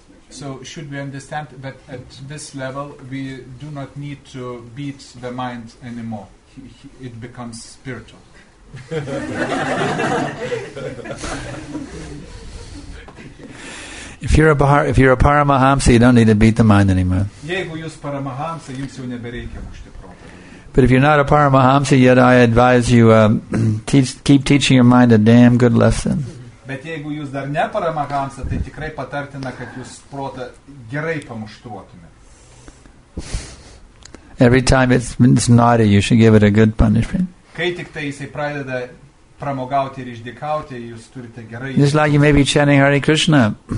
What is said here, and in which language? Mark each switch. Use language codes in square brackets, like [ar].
[en] So should we understand that at this level we do not need to beat the mind anymore? It becomes spiritual. If you're a Paramahamsa, you don't need to beat the mind anymore. [lt] Jeigu jūs Paramahamsa, jums jau nebereikia mušti protą. [en] But if you're not a Paramahamsa yet, I advise you keep teaching your mind a damn good lesson. [lt] Bet jeigu jūs dar ne Paramahamsa, tai tikrai patartina, kad jūs protą gerai pamuštuotumėt. [en] Every time it's naughty, you should give it a good punishment. [lt] Kai tik tai jisai pradeda pramogauti ir išdikauti, jūs turite gerai. [en] Just like you may be chanting Hare Krishna.